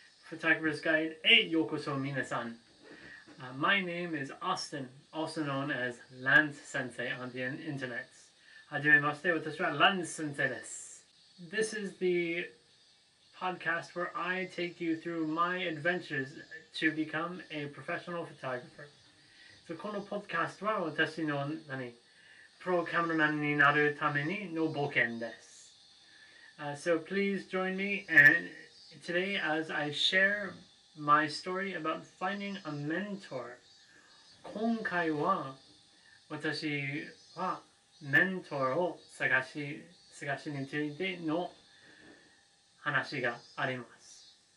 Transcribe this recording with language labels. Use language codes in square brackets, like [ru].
[en] Photographer's Guide, hey, [ja] yokoso minasan. [en] My name is Austin, also known as Lance Sensei on the internet. [ja] Hajimemashite, watashi wa Lance Sensei desu. [en] This is the podcast where I take you through my adventures to become a professional photographer. [ja] このポッドキャストは私の何プロカメラマンになるための冒険です。 [en] So please join me and today as I share my story about finding a mentor. [ja] 今回は私はメントを探しについての話があります。